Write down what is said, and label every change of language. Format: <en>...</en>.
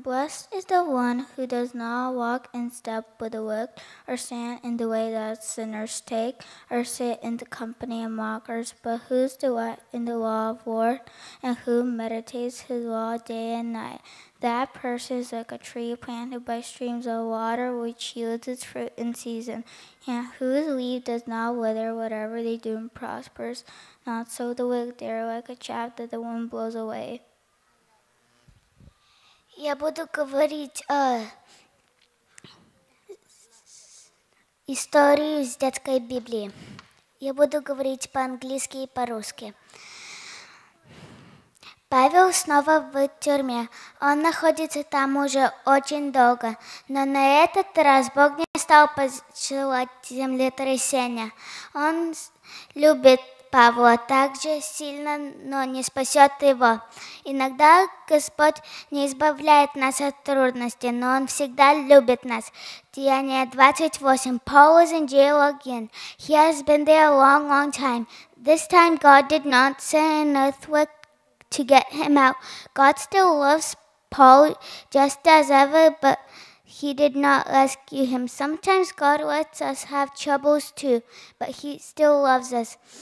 <en>Blessed is the one who does not walk in step with the wicked, or stand in the way that sinners take, or sit in the company of mockers, but whose delight in the law of the Lord, and who meditates his law day and night. That person is like a tree planted by streams of water, which yields its fruit in season, and whose leaf does not wither, whatever they do prospers. Not so the wicked, they are like a chaff that the wind blows away.</en> <ru>Я буду говорить историю из детской Библии. Я буду говорить по-английски и по-русски. Павел снова в тюрьме. Он находится там уже очень долго. Но на этот раз Бог не стал посылать землетрясения. Он любит Павла также сильно, но не спасет его. Иногда Господь не избавляет нас от трудностей, но Он всегда любит нас. Деяние 28.</ru> <en>Paul is in jail again. He has been there a long, long time. This time God did not send an earthquake to get him out. God still loves Paul just as ever, but He did not rescue him. Sometimes God lets us have troubles too, but He still loves us.</en>